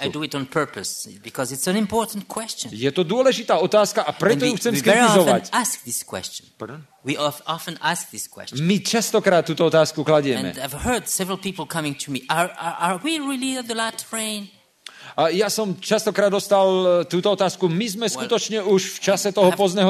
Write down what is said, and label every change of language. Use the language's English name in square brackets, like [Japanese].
[English] I do it on purpose because it's an important question. [Slovak] Je to dôležitá otázka a preto ju chcem skritizovať. [English] We ask this question. Pardon? We often ask this question. [Slovak] My častokrát túto otázku kladieme. [English] And I've heard several people coming to me. Are we really at the last rain? [Slovak] A ja som častokrát dostal túto otázku. My sme skutočne už v čase toho pozdného